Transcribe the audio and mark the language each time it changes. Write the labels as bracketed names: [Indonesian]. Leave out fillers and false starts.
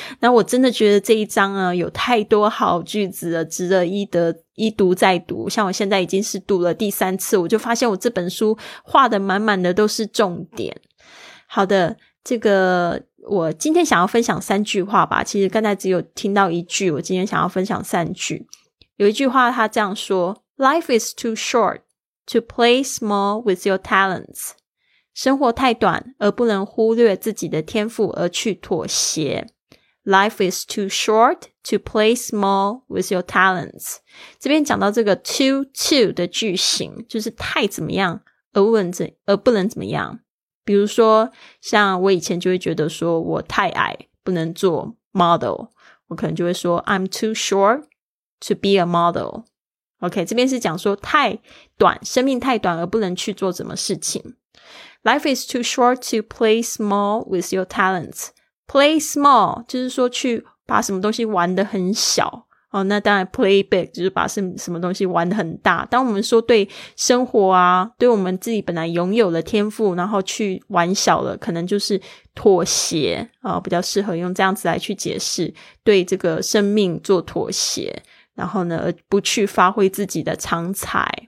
[Chinese] 那我真的觉得这一章啊有太多好句子了，值得一读再读。像我现在已经是读了第三次，我就发现我这本书画的满满的都是重点。好的，这个我今天想要分享三句话吧，其实刚才只有听到一句，我今天想要分享三句。有一句话他这样说， [English] Life is too short to play small with your talents. [Chinese] 生活太短而不能忽略自己的天赋而去妥协。 [English] Life is too short to play small with your talents. [Chinese] 这边讲到这个 too 的句型，就是太怎么样而不能怎么样。比如说像我以前就会觉得说我太矮不能做 model， 我可能就会说 [English] I'm too short to be a model。 [Chinese] OK， 这边是讲说太短，生命太短而不能去做什么事情。 [English] Life is too short to play small with your talents. [Chinese] Play small 就是说去把什么东西玩得很小哦，那当然 play big 就是把什么东西玩得很大。当我们说对生活啊，对我们自己本来拥有的天赋然后去玩小了，可能就是妥协啊，比较适合用这样子来去解释，对这个生命做妥协，然后呢不去发挥自己的长才。